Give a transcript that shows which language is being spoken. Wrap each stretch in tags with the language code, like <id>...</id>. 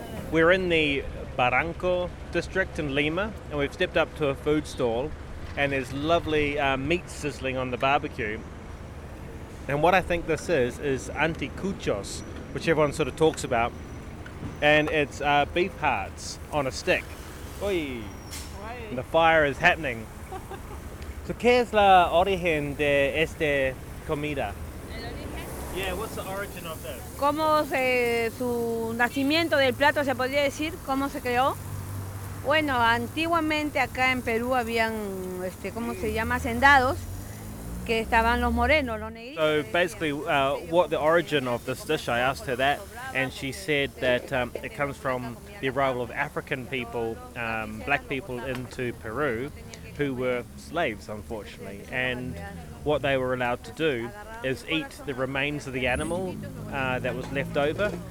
<en>We're in the Barranco district in Lima, and we've stepped up to a food stall. And there's lovely meat sizzling on the barbecue. And what I think this is anticuchos, which everyone sort of talks about. And it's beef hearts on a stick. Oi! Oi! The fire is happening.</en> <es>So, ¿qué es la origen de esta comida? ¿El origen?</es> <en>Yeah, what's the origin of this?</en> <es>¿Cómo se, su nacimiento del plato, se podría decir? ¿Cómo se creó? Bueno, antiguamente acá en Perú habían, ¿cómo se llama? Hacendados, que estaban los morenos, los negritos.</es> <en>So, basically, what the origin of this dish, I asked her that, and she said that it comes from the arrival of African people, black people into Peru, who were slaves, unfortunately. And what they were allowed to do is eat the remains of the animal that was left over.</en>